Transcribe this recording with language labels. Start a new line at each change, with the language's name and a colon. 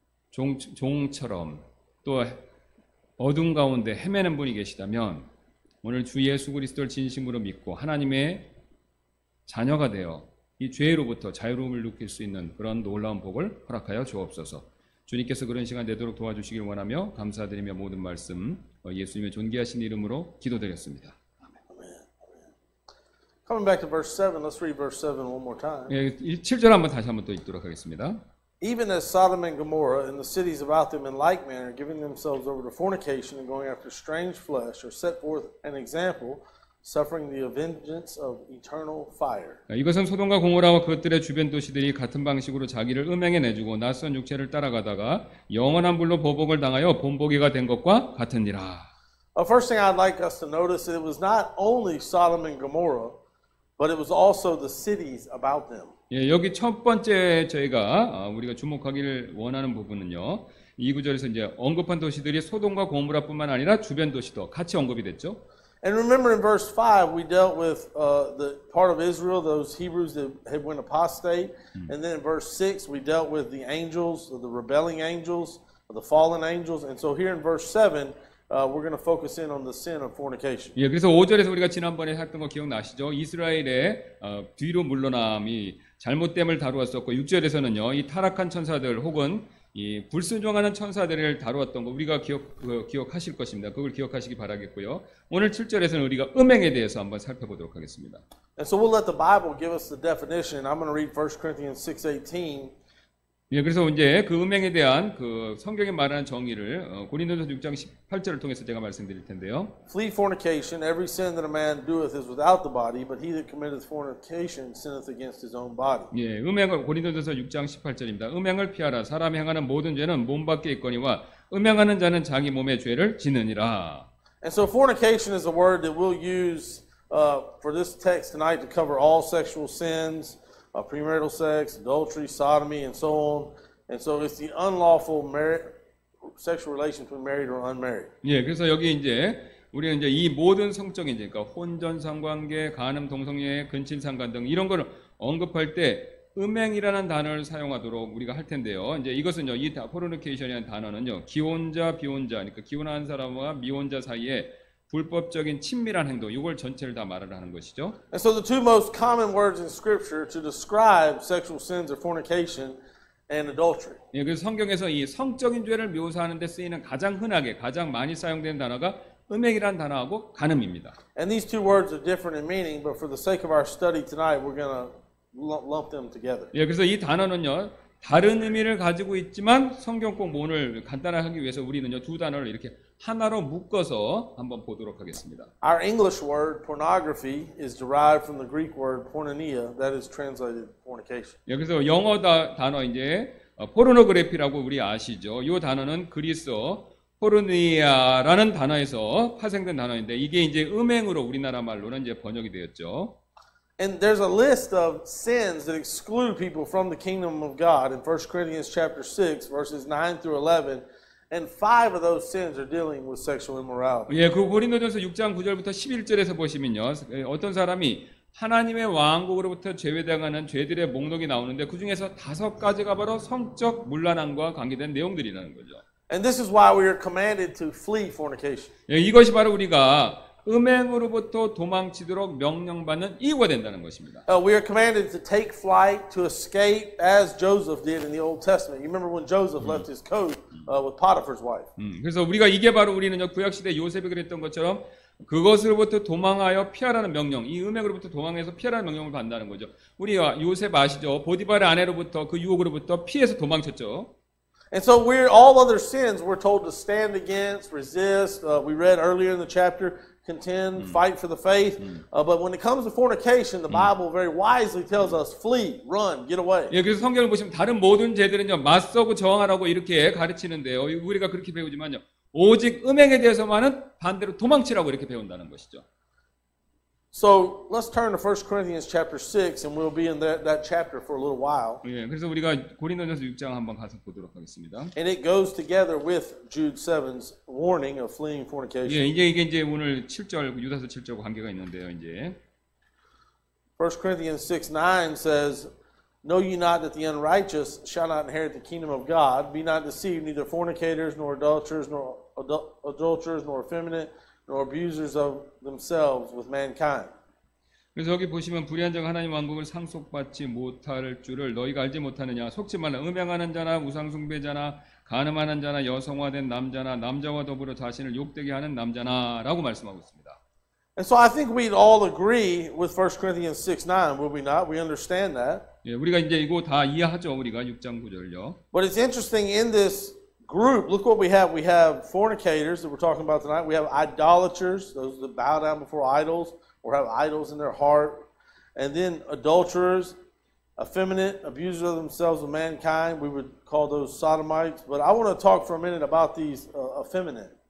Korean: 종처럼 또 어둠 가운데 헤매는 분이 계시다면 오늘 주 예수 그리스도를 진심으로 믿고 하나님의 자녀가 되어 이 죄로부터 자유로움을 느낄 수 있는 그런 놀라운 복을 허락하여 주옵소서. 주님께서 그런 시간 되도록 도와주시길 원하며 감사드리며 모든 말씀 예수님의 존귀하신 이름으로 기도드렸습니다.
English: Coming back to verse 7, let's read verse 7 one more time.
Korean: 7절 한번 다시 한번 또 읽도록 하겠습니다.
English: Even as Sodom and Gomorrah and the cities about them in like manner giving themselves over to fornication and going after strange flesh are set forth an example suffering the vengeance of eternal fire.
Korean: 이것은 소돔과 고모라와 그것들의 주변 도시들이 같은 방식으로 자기를 음행에 내주고 낯선 육체를 따라가다가 영원한 불로 보복을 당하여 본보기가 된 것과 같으니라.
English: The first thing I'd like us to notice is it was not only Sodom and Gomorrah but it was also the cities about them.
Korean: 예, 여기 첫 번째 저희가 우리가 주목하기를 원하는 부분은요. 이 구절에서 이제 언급한 도시들이 소돔과 고모라뿐만 아니라 주변 도시도 같이 언급이 됐죠.
English: And remember in verse 5 we dealt with the part of Israel, those Hebrews that had went apostate. And then in verse 6 we dealt with the angels, the rebelling angels, the fallen angels. And so here in verse 7 we're going to focus in on the sin of fornication.
Korean: 예, 그래서 5절에서 우리가 지난번에 했던 거 기억나시죠? 이스라엘의 뒤로 물러남이 잘못됨을 다루었었고 6절에서는요. 이 타락한 천사들 혹은 이 불순종하는 천사들을 다루었던 거 우리가 기억하실 것입니다. 그걸 기억하시기 바라겠고요. 오늘 7절에서는 우리가 음행에 대해서 한번 살펴보도록 하겠습니다.
English: And so we'll let the Bible give us the definition. I'm going to read 1 Corinthians 6:18.
Korean: 예, 그래서 이제 그 음행에 대한 그 성경에 말하는 정의를 고린도전서 6장 18절을 통해서 제가 말씀드릴 텐데요.
English: Flee fornication. Every sin that a man doeth is without the body, but he that committeth fornication sinneth against his own body.
Korean: 예, 음행을 고린도전서 6장 18절입니다. 음행을 피하라. 사람이 행하는 모든 죄는 몸 밖에 있거니와 음행하는 자는 자기 몸의 죄를 지느니라.
English: And so fornication is a word that we'll use for this text tonight to cover all sexual sins. Premarital sex, adultery, sodomy, and so on. And so it's the unlawful sexual relation between married or unmarried.
Korean: 예, 그래서 여기 이제 우리는 이제 이 모든 성적인 이제 그러니까 혼전 상관계, 간음, 동성애, 근친 상관 등 이런 거를 언급할 때 음행이라는 단어를 사용하도록 우리가 할 텐데요. 이제 이것은요, 이 포르노케이션이라는 단어는요, 기혼자, 비혼자, 그러니까 기혼한 사람과 미혼자 사이에 불법적인 친밀한 행동, 이걸 전체를 다 말을 하는 것이죠.
English: And so the two most common words in Scripture to describe sexual sins are fornication and adultery.
Korean: 예, 그래서 성경에서 이 성적인 죄를 묘사하는데 쓰이는 가장 흔하게, 가장 많이 사용되는 단어가 음행이라는 단어하고 간음입니다.
English: And these two words are different in meaning, but for the sake of our study tonight, we're going to lump them together.
Korean: 예, 그래서 이 단어는요. 다른 의미를 가지고 있지만 성경 공부를 간단하게 위해서 우리는요 두 단어를 이렇게 하나로 묶어서 한번 보도록 하겠습니다.
English: Our English word pornography is derived from the Greek word pornania that is translated fornication.
Korean: 여기서 영어 단어 이제 포르노그래피라고 우리 아시죠? 이 단어는 그리스어 포르니아라는 단어에서 파생된 단어인데 이게 이제 음행으로 우리나라 말로는 이제 번역이 되었죠.
English: And there's a list of sins that exclude people from the kingdom of God in 1 Corinthians chapter 6 verses 9 through 11 and 5 of those sins are dealing with sexual immorality.
Korean: 예, 그 고린도전서 6장 9절부터 11절에서 보시면요. 어떤 사람이 하나님의 왕국으로부터 제외당하는 죄들의 목록이 나오는데 그중에서 다섯 가지가 바로 성적 문란함과 관계된 내용들이라는 거죠.
English: And this is why we are commanded to flee fornication.
Korean: 예, 이것이 바로 우리가 음행으로부터 도망치도록 명령받는 이유가 된다는 것입니다.
English: We are commanded to take flight to escape as Joseph did in the Old Testament. You remember when Joseph left his coat with Potiphar's wife.
Korean: 그래서 우리가 이게 바로 우리는요 구약 시대 요셉이 그랬던 것처럼 그것으로부터 도망하여 피하라는 명령, 이 음행으로부터 도망해서 피하라는 명령을 받는다는 거죠. 우리가 요셉 아시죠? 보디발의 아내로부터 그 유혹으로부터 피해서 도망쳤죠.
English: And so we're all other sins we're told to stand against, resist. We read earlier in the chapter. Contend, fight for the faith. But when it comes to fornication, the Bible very wisely tells us, flee, run, get away.
Korean: 예, 그래서 성경을 보시면 다른 모든 죄들은요 맞서고 저항하라고 이렇게 가르치는데요. 우리가 그렇게 배우지만요, 오직 음행에 대해서만은 반대로 도망치라고 이렇게 배운다는 것이죠.
English: So let's turn to 1 Corinthians chapter 6, and we'll be in that chapter for a little while.
Korean: 예, 그래서 우리가 고린도전서 6장 한번 가서 보도록 하겠습니다.
English: And it goes together with Jude 7's warning of fleeing fornication.
Korean: 예, 이제 이게 이제 오늘 7절 유다서 7절과 관계가 있는데요, 이제.
English: 1 Corinthians 6:9 says, "Know ye not that the unrighteous shall not inherit the kingdom of God? Be not deceived; neither fornicators, nor adulterers, nor adulterers, nor effeminate." Nor abusers of themselves with mankind.
Korean: 그래서 여기 보시면 불의한 자가 하나님 왕국을 상속받지 못할 줄을 너희가 알지 못하느냐? 속지 말라. 음행하는 자나 우상숭배자나 간음하는 자나 여성화된 남자나 남자와 더불어 자신을 욕되게 하는 남자나라고 말씀하고 있습니다.
English: And so I think we'd all agree with 1 Corinthians 6:9, would we not? We understand that.
Korean: 예, 우리가 이제 이거 다 이해하죠, 우리가 6장 9절요.
English: But it's interesting in this. Group, look what we have. We have fornicators that we're talking about tonight. We have idolaters, those that bow down before idols or have idols in their heart. And then adulterers, effeminate, abusers of themselves of mankind. We would call those sodomites. But I want to talk for a minute about these effeminate.